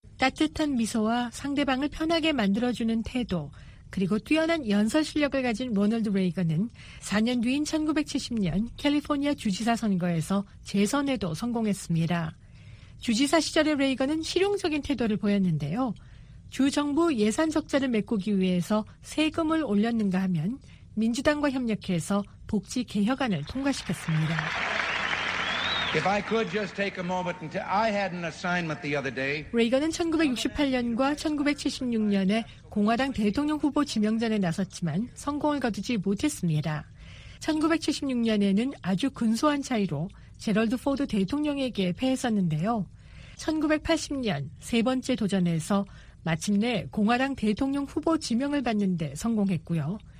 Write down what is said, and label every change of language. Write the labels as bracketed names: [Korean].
[Korean] 따뜻한 미소와 상대방을 편하게 만들어주는 태도, 그리고 뛰어난 연설 실력을 가진 로널드 레이건은 4년 뒤인 1970년 캘리포니아 주지사 선거에서 재선에도 성공했습니다. 주지사 시절의 레이건은 실용적인 태도를 보였는데요. 주정부 예산 적자를 메꾸기 위해서 세금을 올렸는가 하면 민주당과 협력해서 복지 개혁안을 통과시켰습니다. [English] If I could just take a moment and I had an assignment the other day. [Korean] 레이건은 1968년과 1976년에 공화당 대통령 후보 지명전에 나섰지만 성공을 거두지 못했습니다. 1976년에는 아주 근소한 차이로 제럴드 포드 대통령에게 패했었는데요. 1980년 세 번째 도전에서 마침내 공화당 대통령 후보 지명을 받는 데 성공했고요.